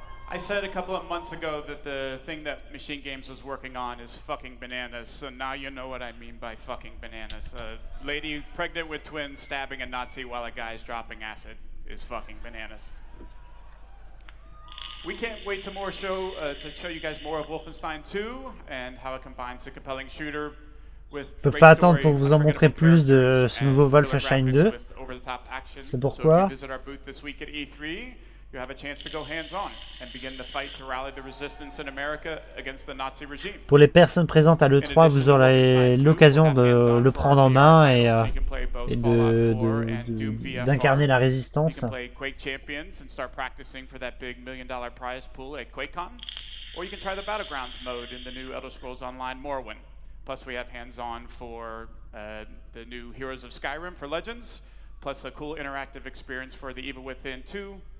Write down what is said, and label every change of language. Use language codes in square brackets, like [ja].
[en] I said a couple of months ago that the thing that Machine Games was working on is fucking bananas, so now you know what I mean by fucking bananas. A lady pregnant with twins stabbing a Nazi while a guy's dropping acid is fucking bananas. We can't wait to more show to show you guys more of Wolfenstein 2 and how it combines a compelling shooter with great [fr] peuvent pas attendre pour vous en montrer plus de ce nouveau Wolfenstein 2. C'est pourquoi [en] so if you visit our booth this week at E3, you have a chance to go hands-on and begin the fight to rally the resistance in America against the Nazi regime. [fr] Pour les personnes présentes à l'E3, vous aurez l'occasion de le prendre en main et d'incarner la résistance. [en] You can play Quake Champions and start practicing for that big $1 million prize pool at QuakeCon, or you can try the Battlegrounds mode in the new Elder Scrolls Online Morrowind. Plus, we have hands-on for the new Heroes of Skyrim for Legends, plus a cool interactive experience for The Evil Within 2.